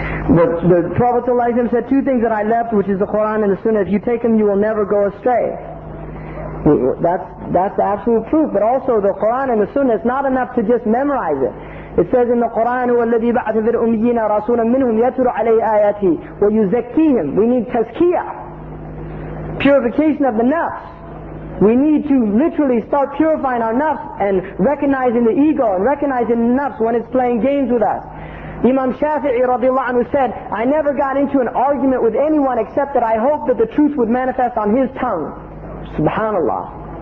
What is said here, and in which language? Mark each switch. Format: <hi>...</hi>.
<en>The Prophet ﷺ said two things that I left, which is the Quran and the Sunnah. If you take them, you will never go astray. That's the absolute proof. But also the Quran and the Sunnah, it's not enough to just memorize it. It says in the Quran,</en> <ar>وَالَّذِي بَعْثَ فِي الْأُمِّيِّينَ رَسُولًا مِّنْهُمْ يَتْرُ عَلَيْهِ آيَاتِهِ وَيُزَكِّيهِمْ.</ar> <en>We need tazkiyah, purification of the nafs. We need to literally start purifying our nafs and recognizing the ego and recognizing the nafs when it's playing games with us. Imam Shafi'i radiallahu anhu said, I never got into an argument with anyone except that I hoped that the truth would manifest on his tongue. Subhanallah.</en>